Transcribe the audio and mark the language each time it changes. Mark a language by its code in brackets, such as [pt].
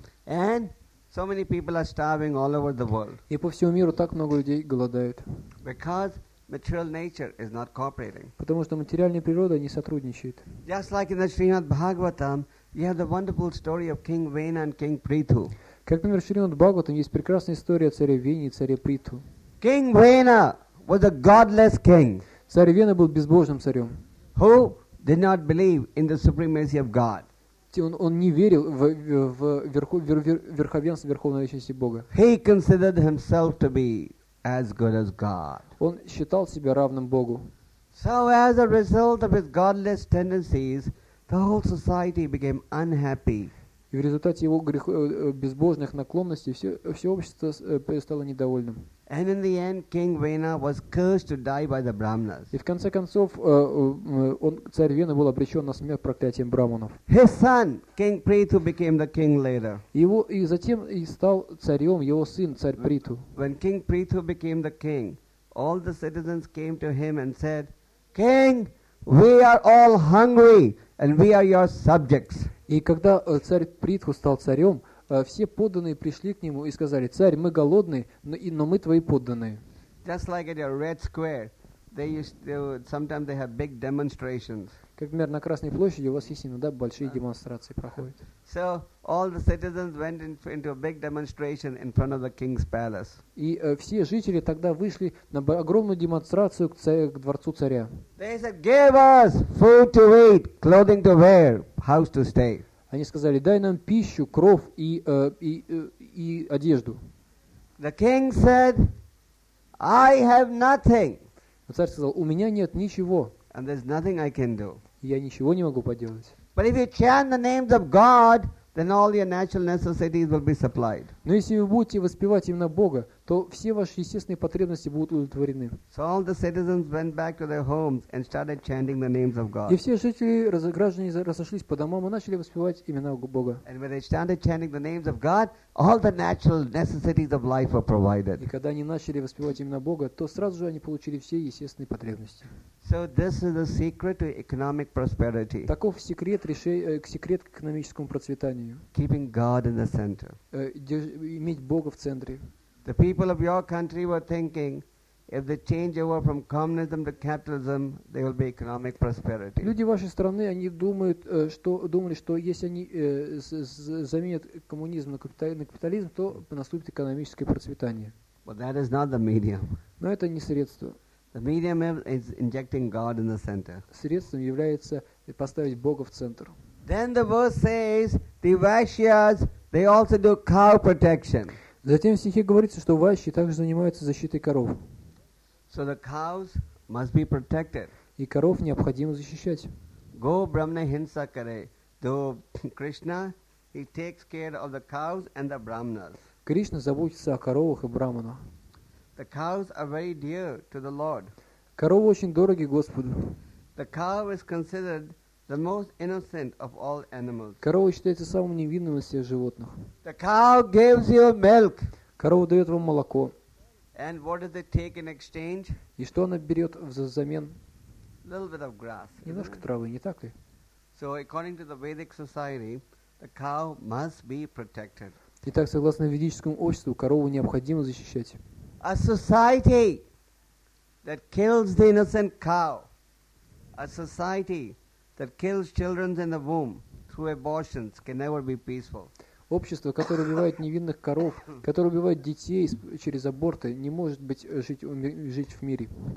[en] And so many people are starving all over the world. [ru] И по всему миру так много людей голодают. [en] Because material nature is not cooperating. [ru] Потому что материальная природа не сотрудничает. [en] Just like in the Srimad Bhagavatam, you have the wonderful story of King Vena and King Prithu. [ru] Как, например, в Шримад Бхагаватам есть прекрасная история о царе Вене и царе Притху. [en] King Vena was a godless king. [ru] Царь Вена был безбожным царем. [en] Who did not believe in the supremacy of God. [ru] Он не верил в верховенство верховной личности Бога. [en] He considered himself to be as good as God. [ru] Он считал себя равным Богу. [en] So as a result of his godless tendencies, the whole society became unhappy. [ru] И в результате его безбожных наклонностей все общество стало недовольным. [en] And in the end, King Vena was cursed to die by the Brahmanas. [ru] И в конце концов, царь Вена был обречен на смерть проклятием брахманов. [en] His son, King Prithu, became the king later. [ru] И затем стал царем его сын, царь Притху. [en] When King Prithu became the king, all the citizens came to him and said, King, we are all hungry and we are your subjects. [ru] И когда царь Притху стал царем, все подданные пришли к нему и сказали, царь, мы голодные, но мы твои подданные. [en] Just like at your Red Square, sometimes they have big demonstrations. [ru] Как, например, на Красной площади у вас есть иногда большие демонстрации проходят. [en] So all the citizens went into a big demonstration in front of the king's palace. [ru] И все жители тогда вышли на огромную демонстрацию к дворцу царя. [en] They said, give us food to eat, clothing to wear, house to stay. [ru] Они сказали, дай нам пищу, кров и одежду. [en] The king said, I have nothing. [ru] Царь сказал, у меня нет ничего. [en] And there's nothing I can do. [ru] Я ничего не могу поделать. [en] But if you chant the names of God, then all your natural necessities will be supplied. [ru] Но если вы будете воспевать имена Бога, то все ваши естественные потребности будут удовлетворены. [en] So all the citizens went back to their homes and started chanting the names of God. [ru] И все жители, граждане разошлись по домам и начали воспевать имена Бога. [en] And when they started chanting the names of God, all the natural necessities of life were provided. [ru] И когда они начали воспевать имена Бога, то сразу же они получили все естественные потребности. [en] So this is the secret to economic prosperity. [ru] Таков секрет секрет к экономическому процветанию. [en] Keeping God in the center. [ru] Иметь Бога в центре. [en] The people of your country were thinking, if they change over from communism to capitalism, there will be economic prosperity. [ru] Люди вашей страны, они думают, что думали, что если они заменят коммунизм на капитализм, то наступит экономическое процветание. [en] But that is not the medium. [ru] Но это не средство. [en] The medium is injecting God in the center. [ru] Средством является поставить Бога в центр. [en] Then the verse says, the Vaishyas, they also do cow protection. [ru] Затем в стихе говорится, что ващи также занимаются защитой коров. [en] So the cows must be protected. [ru] И коров необходимо защищать. Go Brahmana Hinsa Kare. [en] To Krishna, he takes care of the cows and the Brahmanas. [ru] Кришна заботится о коровах и брахманах. [en] The cows are very dear to the Lord. [ru] Коровы очень дороги Господу. [en] The cow is considered the most innocent of all animals. [ru] Корова считается самым невинным из всех животных. [en] The cow gives you milk. [ru] Корова дает вам молоко. [en] And what does it take in exchange? [ru] И что она берет взамен? [en] Little bit of grass. [ru] Немножко травы, не так ли? [en] So according to the Vedic society, the cow must be protected. [ru] Итак, согласно ведическому обществу, корову необходимо защищать. [en] A society that kills the innocent cow. A society that kills children in the womb through abortions can never be peaceful. [ru] Общество, которое убивает невинных коров, которое убивает детей через аборты, не может быть жить в мире.